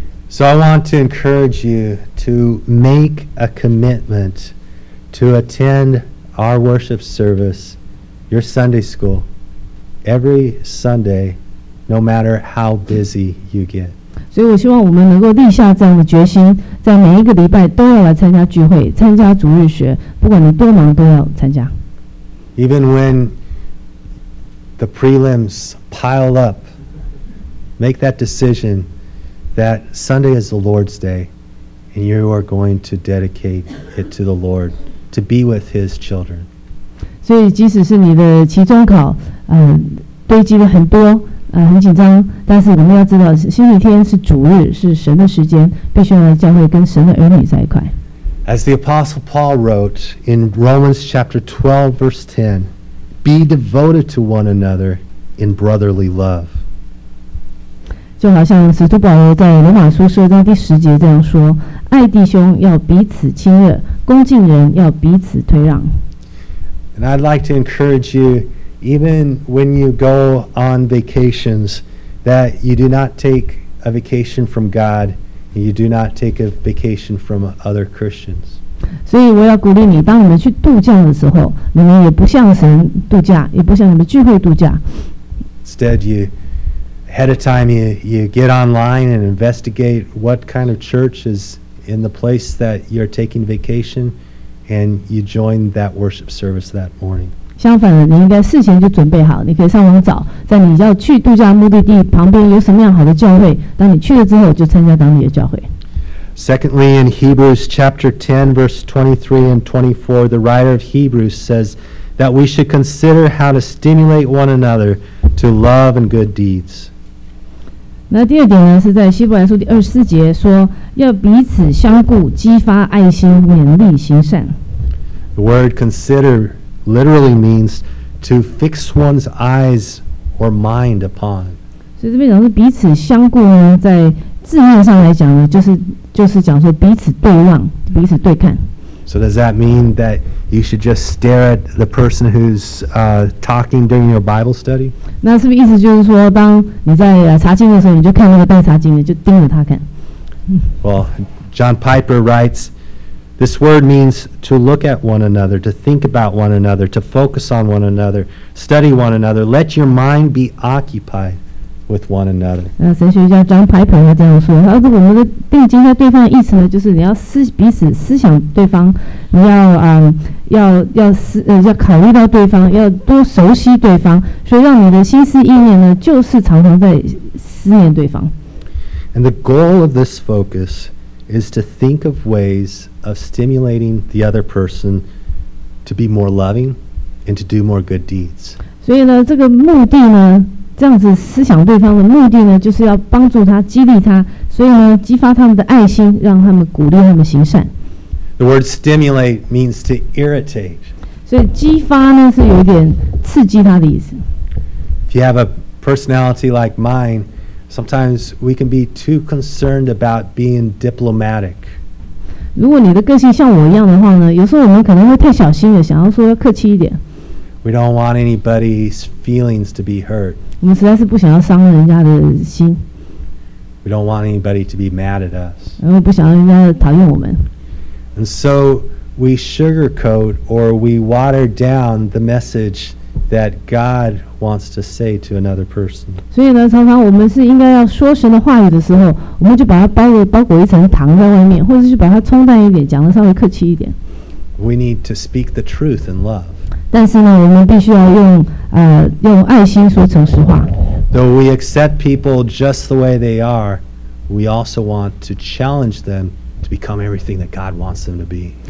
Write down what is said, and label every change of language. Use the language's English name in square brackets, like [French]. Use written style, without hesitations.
[English] So I want to encourage you to make a commitment to attend our worship service, your Sunday school, every Sunday, no matter how busy you get. [Chinese] 所以我希望我们能够立下这样的决心，在每一个礼拜都要来参加聚会，参加主日学，不管你多忙都要参加。 [English] Even when the prelims pile up, make that decision. That Sunday is the Lord's day, and you are going to dedicate it to the Lord to be with His children. [Chinese] 所以，即使是你的期中考，堆积了很多，很紧张，但是我们要知道，星期天是主日，是神的时间，必须要来教会跟神的儿女在一块。 [English] As the Apostle Paul wrote in Romans chapter 12, verse 10, "Be devoted to one another in brotherly love." [Chinese] 就好像使徒保罗在罗马书十二章第十节这样说：“爱弟兄要彼此亲热，恭敬人要彼此推让。” [English] And I'd like to encourage you, even when you go on vacations, that you do not take a vacation from God, and you do not take a vacation from other Christians. [Chinese] 所以我要鼓励你，当你们去度假的时候，你们也不向神度假，也不向你们聚会度假。 [English] Instead, you. Ahead of time, you get online and investigate what kind of church is in the place that you're taking vacation, and you join that worship service that morning. [Chinese] 相反的，你应该事前就准备好，你可以上网找，在你要去度假目的地旁边有什么样好的教会，当你去了之后就参加当地的教会。 [English] Secondly, in Hebrews chapter 10, verse 23 and 24, the writer of Hebrews says that we should consider how to stimulate one another to love and good deeds. [Chinese] 那第二点呢，是在希伯来书第二十四节说，要彼此相顾，激发爱心，勉励行善。 [English] The word consider literally means to fix one's eyes or mind upon. [Chinese] 所以这边讲是彼此相顾呢，在字面上来讲呢，就是讲说彼此对望，彼此对看。 [English] So does that mean that you should just stare at the person who's talking during your Bible study? [Chinese] 那是不是意思就是说，当你在查经的时候，你就看那个带查经的，就盯着他看 [English] ？Well, John Piper writes, this word means to look at one another, to think about one another, to focus on one another, study one another. Let your mind be occupied. With one another. [Chinese] 神学家 John Piper 他这样说，他说我们的定睛在对方的意思呢，就是你要彼此思想对方，你要要考虑到对方，要多熟悉对方，所以让你的心思意念呢，就是常常在思念对方。 [English] And the goal of this focus is to think of ways of stimulating the other person to be more loving and to do more good deeds. [Chinese] 所以呢，这个目的呢。这样子思想对方的目的呢，就是要帮助他、激励他，所以呢，激发他们的爱心，让他们鼓励他们行善。 [English] The word stimulate means to irritate. [Chinese] 所以激发呢，是有点刺激他的意思。 [English] If you have a personality like mine, sometimes we can be too concerned about being diplomatic. [Chinese] 如果你的个性像我一样的话呢，有时候我们可能会太小心了，想要说要客气一点。 [English] We don't want anybody's feelings to be hurt. [Chinese] 我们实在是不想要伤人家的心。 [English] We don't want anybody to be mad at us. [Chinese] 我们不想要人家讨厌我们。 [English] And so we sugarcoat or we water down the message that God wants to say to another person. [Chinese] 所以呢，常常我们是应该要说神的话语的时候，我们就把它包裹一层糖在外面，或者是把它冲淡一点，讲得稍微客气一点。 [English] We need to speak the truth in love. [Chinese] 但是呢，我们必须要用爱心说诚实话。 [English] Though we accept people just the way they are, we also want to challenge them to become everything that God wants them to be.